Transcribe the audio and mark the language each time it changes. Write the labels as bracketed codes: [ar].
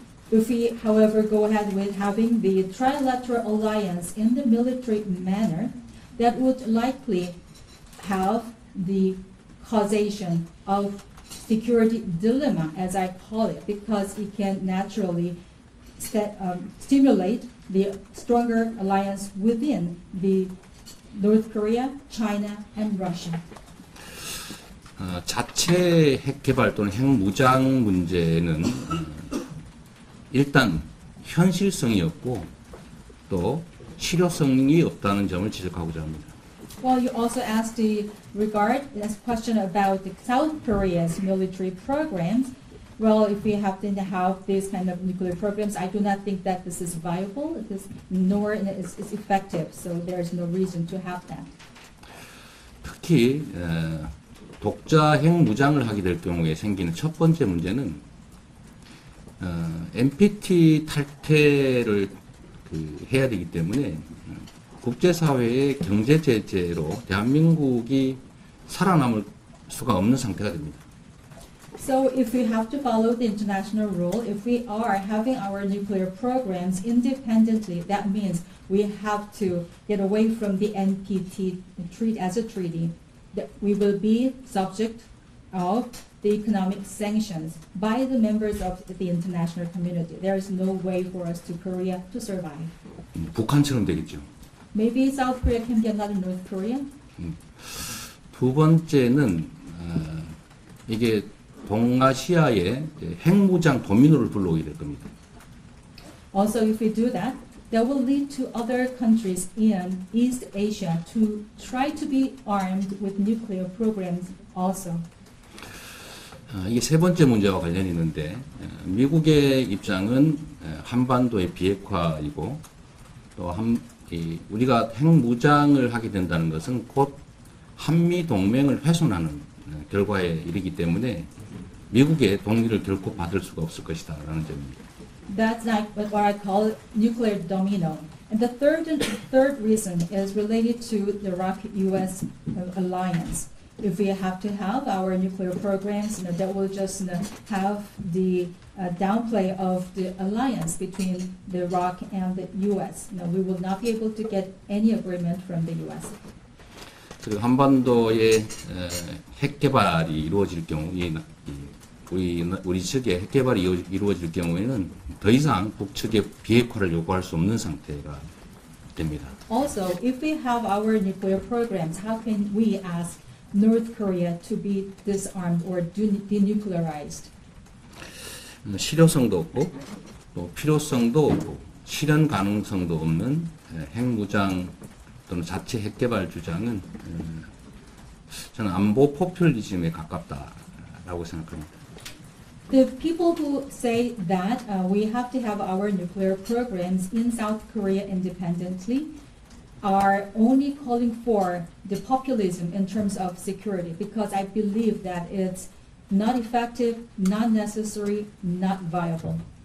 [en] If we, however, go ahead with having the trilateral alliance in the military manner, that would likely have the causation of security dilemma, as I call it, because it can naturally stimulate the stronger alliance within the North Korea, China, and Russia. [ko] 자체 핵 개발 또는 핵 무장 문제는 일단 현실성이 없고 또 실효성이 없다는 점을 지적하고자 합니다. [en] Well, you also asked the regard this question about the South Korea's military programs. Well, if we happen to have these kind of nuclear programs, I do not think that this is viable, this, nor is it effective, so there is no reason to have that. [ko] 특히 독자 핵 무장을 하게 될 경우에 생기는 첫 번째 문제는 NPT 탈퇴를 해야 되기 때문에 국제사회의 경제 제재로 대한민국이 살아남을 수가 없는 상태가 됩니다. [en] So if we have to follow the international rule, if we are having our nuclear programs independently, that means we have to get away from the NPT treat as a treaty. We will be subject of the economic sanctions by the members of the international community. There is no way for us to Korea to survive. [ko] 북한처럼 되겠죠. [en] Maybe South Korea can be another North Korea. [ko] 두 번째는 이게 동아시아의 핵무장 도미노를 불러오게 될 겁니다. [en] Also, if we do that, that will lead to other countries in East Asia to try to be armed with nuclear programs also. [ko] 이게 세 번째 문제와 관련이 있는데 미국의 입장은 한반도의 비핵화이고 또 우리가 핵무장을 하게 된다는 것은 곧 한미동맹을 훼손하는 결과에 이르기 때문에 미국의 동의를 결코 받을 수가 없을 것이다 라는 점입니다. [en] That's like what I call nuclear domino. And the third reason is related to the Iraq-US alliance. If we have to have our nuclear programs, you know, that will just have the downplay of the alliance between the Iraq and the US. You know, we will not be able to get any agreement from the US. [ko] 그리고 한반도의 핵 개발이 이루어질 경우, 우리 측의 핵 개발이 이루어질 경우에는 더 이상 북측의 비핵화를 요구할 수 없는 상태가 됩니다. [en] Also, if we have our nuclear programs, how can we ask North Korea to be disarmed or denuclearized? [ko] 실효성도 없고, 또 필요성도 없고, 실현 가능성도 없는 핵무장 또는 자체 핵 개발 주장은 저는 안보 포퓰리즘에 가깝다라고 생각합니다. [en] The people who say that we have to have our nuclear programs in South Korea independently are only calling for the populism in terms of security because I believe that it's not effective, not necessary, not viable.